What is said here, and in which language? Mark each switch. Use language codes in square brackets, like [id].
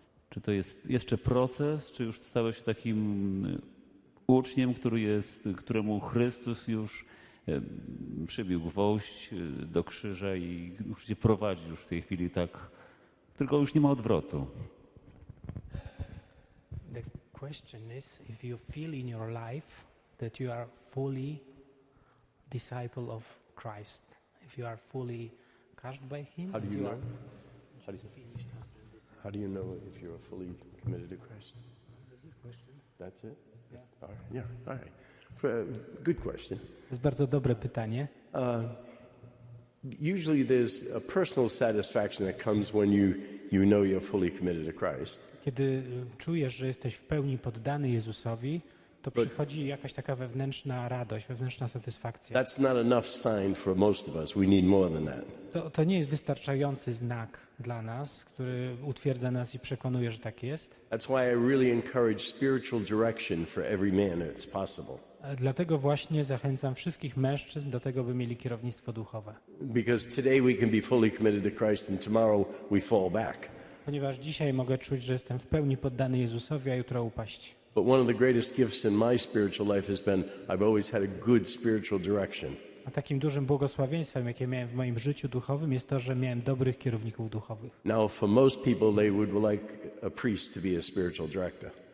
[pl] Czy to jest jeszcze proces, czy już stałeś się takim uczniem, któremu Chrystus już przybił gwoźdź do krzyża i już cię prowadzi już w tej chwili tak, tylko już nie ma odwrotu? [en] The question is, if you feel in your life that you are fully disciple of Christ, if you are fully cast by him, how do you know? How do you know if you are fully committed to Christ? This is question. That's it. Yeah. All right. Yeah. All right. Good question. [pl] To jest bardzo dobre pytanie. [en] Usually, there's a personal satisfaction that comes when you know you're fully committed to Christ. [pl] Kiedy czujesz, że jesteś w pełni poddany Jezusowi, to przychodzi jakaś taka wewnętrzna radość, wewnętrzna satysfakcja. [en] That's not enough sign for most of us. We need more than that. [pl] To nie jest wystarczający znak dla nas, który utwierdza nas i przekonuje, że tak jest. [en] That's why I really encourage spiritual direction for every man if it's possible. [pl] Dlatego właśnie zachęcam wszystkich mężczyzn do tego, by mieli kierownictwo duchowe. [en] Because today we can be fully committed to Christ and tomorrow we fall back. [pl] Ponieważ dzisiaj mogę czuć, że jestem w pełni poddany Jezusowi, a jutro upaść. [en] But one of the greatest gifts in my spiritual life has been I've always had a good spiritual direction. [pl] A takim dużym błogosławieństwem, jakie miałem w moim życiu duchowym, jest to, że miałem dobrych kierowników duchowych. [en] Now for most people they would like a priest to be a spiritual director.